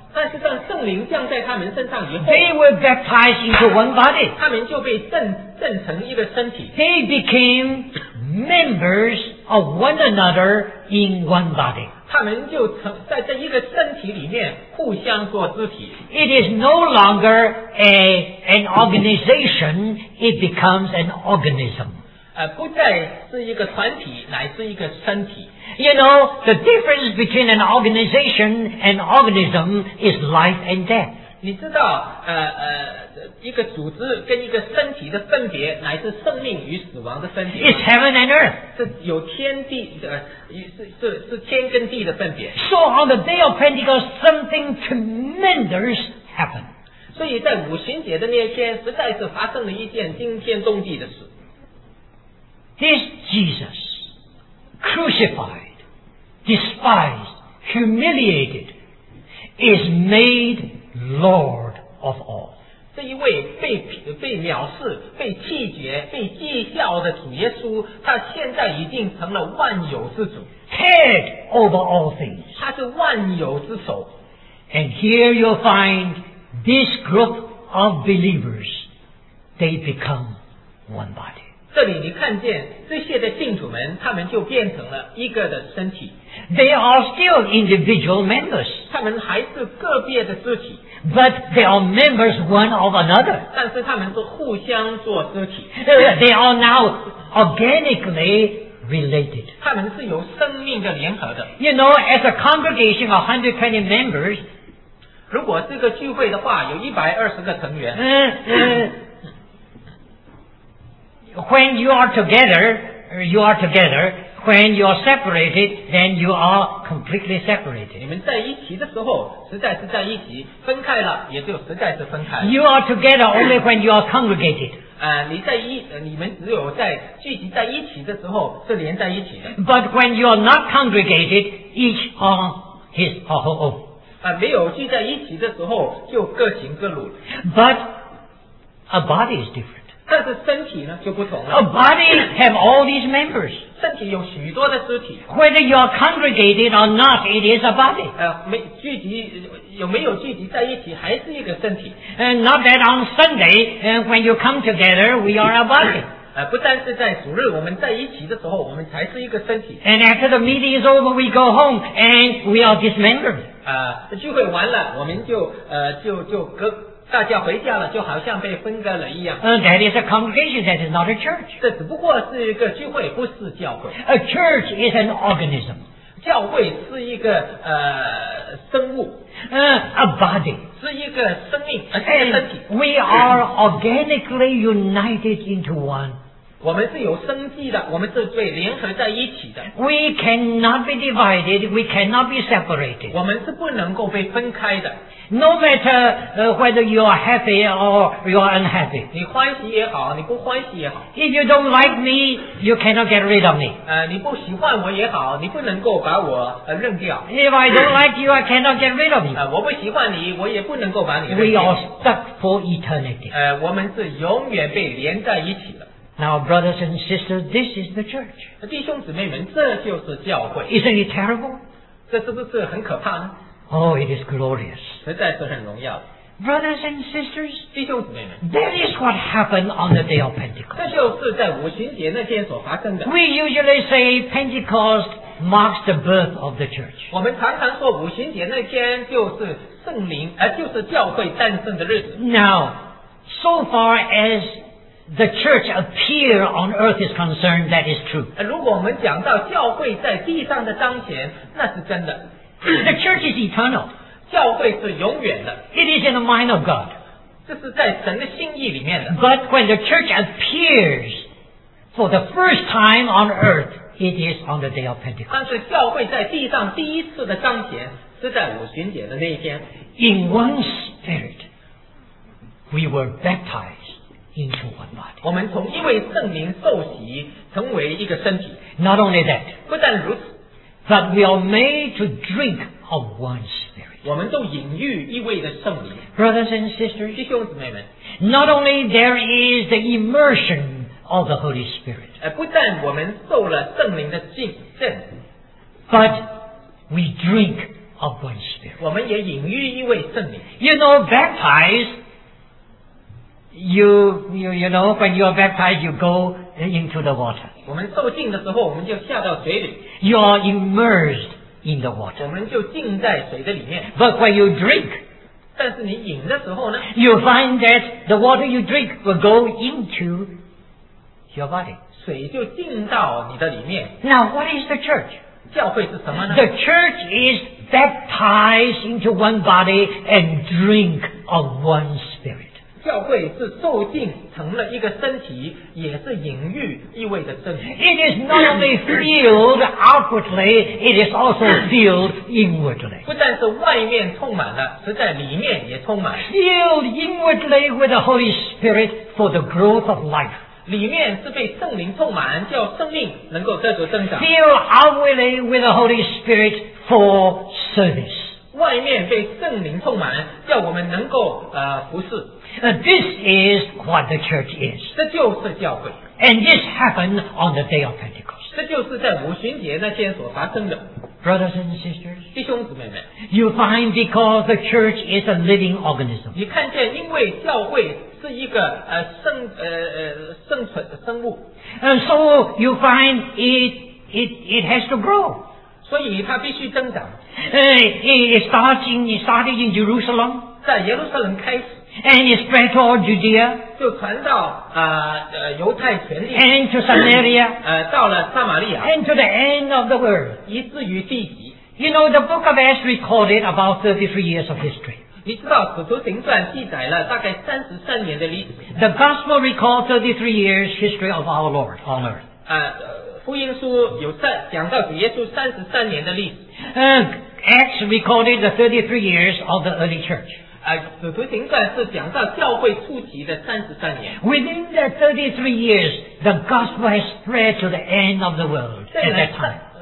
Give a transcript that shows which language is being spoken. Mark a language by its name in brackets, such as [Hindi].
[Chinese] 但是当圣灵降在他们身上以后， [English] they were baptized into one body. [Chinese] 他们就被证成一个身体。 [English] They became members of one another in one body. [Chinese] 他们就在这一个身体里面互相做肢体。 [English] It is no longer an organization, it becomes an organism. [Chinese] 不再是一个团体，乃是一个身体。 [English] You know, the difference between an organization and organism is life and death. [Chinese] 你知道一个组织跟一个身体的分别，乃是生命与死亡的分别。 [English] It's heaven and earth. [Chinese] 是有天地的，是天跟地的分别。 [English] So on the day of Pentecost, something tremendous happened. [Chinese] 所以在五旬节的那天，实在是发生了一件惊天动地的事。 [English] This Jesus, crucified, despised, humiliated, is made Lord of all. [Chinese] 这一位 被藐视、被弃绝、被讥笑的主耶稣，他现在已经成了万有之主。 [English] Head over all things. [Chinese] 他是万有之首。 [English] And here you'll find this group of believers, they become one body. [Chinese] 这里你看见这些的信徒们，他们就变成了一个的身体。 [English] They are still individual members. [Chinese] 他们还是个别的肢体。 [English] But they are members one of another. [Chinese] 但是他们是互相做肢体。 [English] They are now organically related. [Chinese] 他们是有生命的联合的。 [English] You know, as a congregation of 120 members, [Chinese] 如果这个聚会的话，有120个成员。 [English] When you are together, you are together. When you are separated, then you are completely separated. [Chinese] 你们在一起的时候，实在是在一起；分开了，也就实在是分开了。 [English] You are together only when you are congregated. [Chinese] 你们只有在聚集在一起的时候是连在一起的。 [English] But when you are not congregated, each on his or her own. [Chinese] 没有聚在一起的时候就各行各路。 [English] But a body is different. [Chinese] 但是身体呢就不同了。 [English] A body have all these members. [Chinese] 身体有许多的肢体。 [English] Whether you are congregated or not, it is a body. [Chinese] 有没有聚集在一起还是一个身体。 [English] And not that on Sunday, when you come together, we are a body. [Chinese] 不但是在主日我们在一起的时候我们才是一个身体。 [English] And after the meeting is over, we go home, and we are dismembered. [Chinese] 聚会完了，我们就就大家回家了，就好像被分割了一样。 [English] That is a congregation, that is not a church. [Chinese] 这只不过是一个聚会，不是教会。 [English] A church is an organism. [Chinese] 教会是一个生物。 [English] A body. [Chinese] 是一个生命。 [English] And we are organically united into one. [Chinese] 我们是有生计的，我们是被联合在一起的。 [English] We cannot be divided, we cannot be separated. [Chinese] 我们是不能够被分开的。 [English] No matter whether you are happy or you are unhappy. [Chinese] 你欢喜也好，你不欢喜也好。 [English] If you don't like me, you cannot get rid of me. [Chinese] 你不喜欢我也好，你不能够把我扔掉。 [English] If I don't like you, I cannot get rid of you. [Chinese] 我不喜欢你，我也不能够把你扔掉。 [English] We are stuck for eternity. [Chinese] 我们是永远被连在一起的。 [English] Now, brothers and sisters, this is the church. [Chinese] 弟兄姊妹们，这就是教会。 [English] Isn't it terrible? [Chinese] 这是不是很可怕呢？ [English] Oh, it is glorious. [Chinese] 实在是很荣耀。 [English] Brothers and sisters, [Chinese] 弟兄姊妹们， [English] that is what happened on the day of Pentecost. [Chinese] 这就是在五旬节那天所发生的。 [English] We usually say Pentecost marks the birth of the church. [Chinese] 我们常常说五旬节那天就是圣灵，就是教会诞生的日子。 [English] Now, so far as the church appear on earth is concerned, that is true. [Chinese] 如果我们讲到教会在地上的彰显，那是真的。 [English] The church is eternal. [Chinese] 教会是永远的。 [English] It is in the mind of God. [Chinese] 这是在神的心意里面的。 [English] But when the church appears for the first time on earth, it is on the day of Pentecost. [Chinese] 但是教会在地上第一次的彰显是在五旬节的那一天。 [English] In one spirit, we were baptized. Into one body. [Chinese] 我们从一位圣灵受洗成为一个身体。 [English] Not only that, [Chinese] 不但如此， [English] but we are made to drink of one spirit. [Chinese] 我们都饮育一位的圣灵。 [English] Brothers and sisters, [Chinese] 弟兄姊妹们， [English] not only there is the immersion of the Holy Spirit, [Chinese] 不但我们受了圣灵的浸浸， [English] but we drink of one spirit. [Chinese] 我们也饮育一位圣灵。 [English] You know, baptized. You know, when you are baptized, you go into the water. [Chinese] 我们受浸的时候，我们就下到水里。 [English] You are immersed in the water. [Chinese] 我们就浸在水的里面。 [English] But when you drink, [Chinese] 但是你饮的时候呢？ [English] You find that the water you drink will go into your body. [Chinese] 水就浸到你的里面。 [English] Now, what is the church? [Chinese] 教会是什么呢？ [English] The church is baptized into one body and drink of one spirit. [Chinese] 教会是受浸成了一个身体，也是隐喻意味着圣灵。 [English] It is not only filled outwardly, it is also filled inwardly. [Chinese] 不但是外面充满了，实在里面也充满。 [English] Filled inwardly with the Holy Spirit for the growth of life. [Chinese] 里面是被圣灵充满，叫生命能够得着增长。 [English] Filled outwardly with the Holy Spirit for service. [Chinese] 外面被圣灵充满，叫我们能够服侍。 [English] This is what the church is. [Chinese] 这就是教会。 [English] And this happened on the day of Pentecost. [Chinese] 这就是在五旬节那天所发生的。 [English] Brothers and sisters, [Chinese] 弟兄姊妹们， [English] you find because the church is a living organism. [Chinese] 你看见因为教会是一个生存的生物。 [English] And so you find it has to grow. [Chinese] 所以它必须增长。 [English] It started in Jerusalem. [Chinese] 在耶路撒冷开始。 [English] And it spread to all Judea. [Chinese] 就传到犹太全地。 [English] And to Samaria. [Chinese] 到了撒玛利亚。 [English] And to the end of the world. [Chinese] 以至于地极。 [English] You know, the book of Acts recorded about 33 years of history. [Chinese] 你知道使徒行传记载了大概33年的历史。 [English] The gospel recalled 33 years history of our Lord on earth. [Chinese] 福音书有讲到主耶稣33年的历史。 [English] Acts recorded the 33 years of the early church. [Chinese] 使徒行传是讲到教会初期的33年。 [English] Within the 33 years, the gospel has spread to the end of the world at that time.